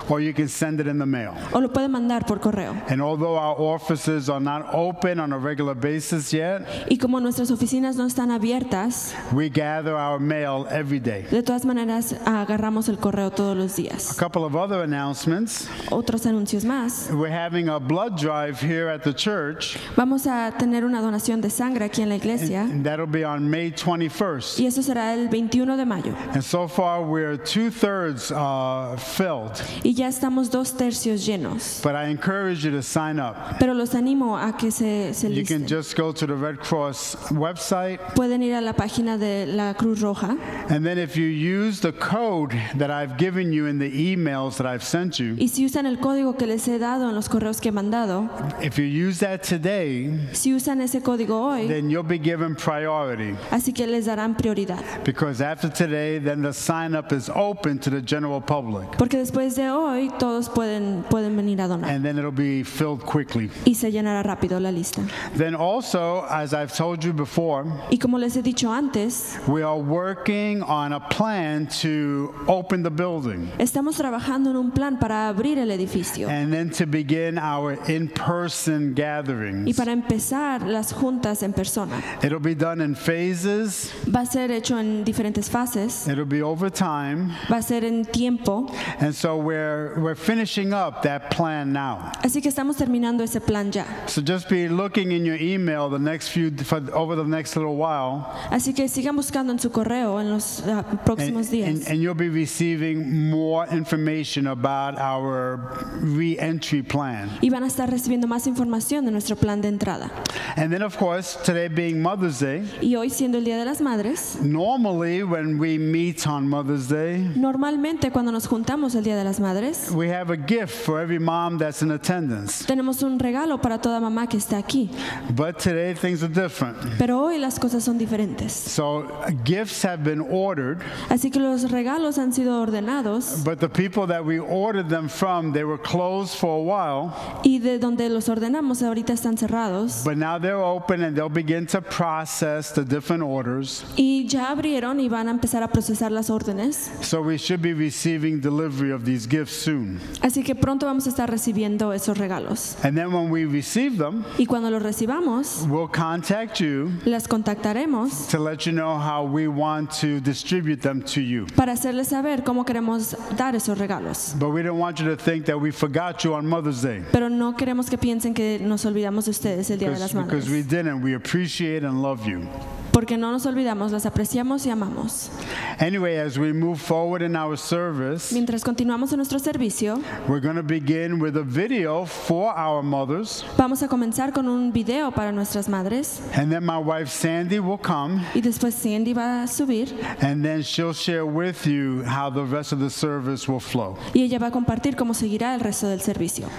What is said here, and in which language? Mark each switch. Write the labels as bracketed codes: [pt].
[en] Or you can send it in the mail. [es] O lo puede mandar por correo. [en] And although our offices are not open on a regular basis yet. [es] Y como nuestras oficinas no están abiertas. [en] We gather our mail every day. [es] De todas maneras agarramos el correo todos los días. [en] A couple of other announcements. [es] Otros anuncios más. [en] We're having a blood drive here at the church. [es] Vamos a tener una donación de sangre aquí en la iglesia. [en] And that'll be on May 21st. [es] Y eso será el 21 de mayo. [en] And so far we're 2/3 filled. [es] Y ya estamos 2/3 llenos. [en] But I encourage you to sign up. [es] Pero los animo a que se listen. [en] You can just go to the Red Cross website. [es] Pueden ir a la página de la Cruz Roja. [en] And then if you use the code that I've given you in the emails that I've sent you. [es] Y si usan el código que les he dado en los correos que he mandado. [en] If you use that today, [es] si usan ese código hoy, [en] then you'll be given priority. [es] Así que les darán prioridad. [en] Because after today, then the sign up is open to the general public. [es] Porque después de hoy, todos pueden venir a donar. [en] And then it'll be filled quickly. [es] Y se llenará rápido la lista. [en] Then also, as I've told you before, [es] y como les he dicho antes, [en] we are working on a plan to open the building. [es] Estamos trabajando en un plan para abrir el edificio. [en] And then to begin our in-person gathering. [es] Y para empezar las juntas en persona. [en] It'll be done in phases. [es] Va a ser hecho en diferentes fases. [en] It'll be over time. [es] Va a ser en tiempo. [en] And so we're finishing up that plan now. [es] Así que estamos terminando ese plan ya. [en] So just be looking in your email over the next little while. [es] Así que sigan buscando en su correo en los próximos días. [en] And you'll be receiving more information about our re-entry plan. [es] Y van a estar recibiendo más información de nuestro plan de entrada. [en] And then of course, today being Mother's Day, [es] y hoy siendo el Día de las Madres, [en] normally when we meet on Mother's Day, [es] normalmente cuando nos juntamos el Día de las Madres, [en] we have a gift for every mom that's in attendance. [es] Tenemos un regalo para toda mamá que está aquí. [en] But today things are different. [es] Pero hoy las cosas son diferentes. [en] So gifts have been ordered. [es] Así que los regalos han sido ordenados. [en] But the people that we ordered them from, they were closed for a while. [es] Y de donde los ordenamos ahorita están cerrados. [en] But now they're open and they'll begin to process the different orders. [es] Y ya abrieron y van a empezar a procesar las órdenes. [en] So we should be receiving delivery of these gifts soon. [es] Así que pronto vamos a estar recibiendo esos regalos. [en] And then when we receive them, [es] y cuando los recibamos, [en] we'll contact you, [es] las contactaremos, [en] to let you know how we want to distribute them to you. [es] Para hacerles saber cómo queremos dar esos regalos. [en] But we don't want you to think that we forgot you on Mother's Day. [es] Pero no queremos que piensen que nos olvidamos de ustedes el Día de las Madres. [en] Because we didn't, we appreciate and love you. [es] Porque no nos olvidamos, las apreciamos y amamos. [en] Anyway, as we move forward in our service, [es] mientras continuamos en nuestro servicio, [en] we're going to begin with a video for our mothers. [es] Vamos a comenzar con un video para nuestras madres. [en] And then my wife Sandy will come. [es] Y después Sandy va a subir. [en] And then she'll share with you how the rest of the service will flow. [es] Y ella va a compartir cómo seguirá el resto del servicio.